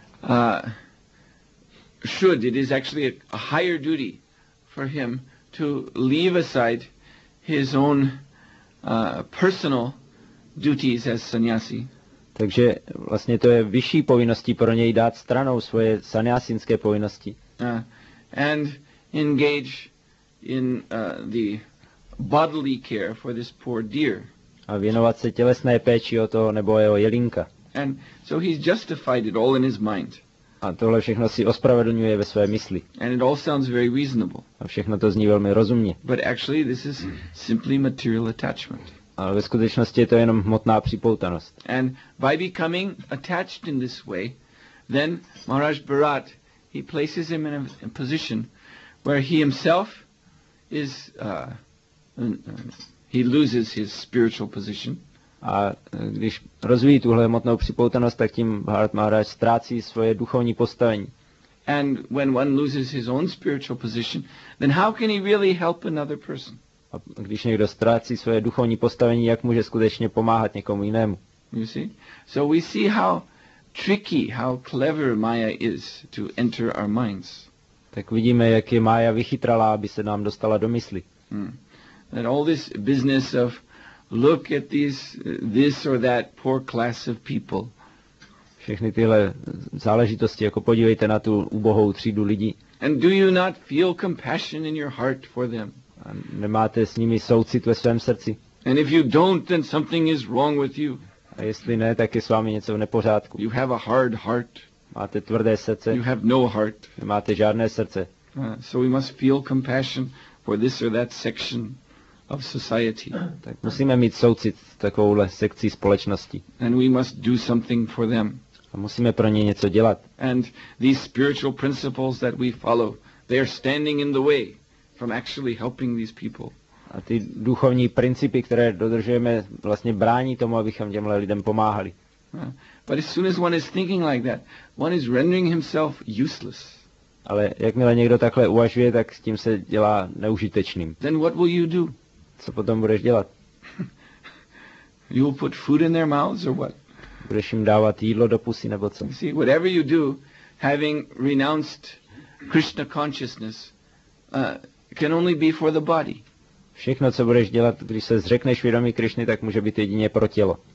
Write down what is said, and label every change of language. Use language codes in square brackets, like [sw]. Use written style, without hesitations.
[en] It is actually a higher duty for him to leave aside his own personal duties as sannyasi. [cs] Takže vlastně to je vyšší povinností pro něj dát stranou svoje sannyasinské povinnosti. [en] And engage in the bodily care for this poor deer. [cs] A věnovat se tělesné péči o toho nebo jeho jelinka. [en] And so he's justified it all in his mind. [cs] A tohle všechno si ospravedlňuje ve své mysli. [en] And it all sounds very reasonable. [cs] A všechno to zní velmi rozumně. [en] But actually this is simply material attachment. [cs] Ale ve skutečnosti je to jenom hmotná připoutanost. [en] And by becoming attached in this way, then Maharaj Bharat, he places him in a position where he himself is he loses his spiritual position. [cs] A když rozvíjí tuhle hmotnou připoutanost, tak tím Bharat Maharaj ztrácí svoje duchovní postavení. [en] And when one loses his own spiritual position, then how can he really help another person? [cs] A když někdo ztrácí svoje duchovní postavení, jak může skutečně pomáhat někomu jinému? [en] You see? So we see how tricky, how clever Maya is to enter our minds. [cs] Tak vidíme, jak je Maya vychytralá, aby se nám dostala do mysli. [en] That all this business of look at these this or that poor class of people. [cs] Všechny tyhle záležitosti, jako podívejte na tu ubohou třídu lidí. [en] And do you not feel compassion in your heart for them? [cs] A nemáte s nimi soucit ve svém srdci? [en] And if you don't, then something is wrong with you. [cs] A jestli ne, tak je s vámi něco v nepořádku. [en] You have a hard heart. [cs] Máte tvrdé srdce. [en] You have no heart. [cs] Nemáte žádné srdce. [en] So we must feel compassion for this or that section of society. [cs] Tak musíme mít soucit s takovouhle sekcí společnosti. [en] And we must do something for them. [cs] A musíme pro ně něco dělat. [en] And these spiritual principles that we follow, they are standing in the way from actually helping these people. [cs] A ty duchovní principy, které dodržujeme, vlastně brání tomu, abychom těmhle lidem pomáhali. [en] But as soon as one is thinking like that, one is rendering himself useless. [cs] Ale jakmile někdo takhle uvažuje, tak s tím se dělá neužitečným. [en] Then what will you do? [cs] Co potom budeš dělat? [en] You will put food in their mouths or what? [cs] Budeš jim dávat jídlo do pusy nebo co? [en] You see, whatever you do, having renounced Krishna consciousness, can only be for the body. [cs] Všechno, co budeš dělat, když se zřekneš vědomí Krishny, tak může být jedině pro tělo.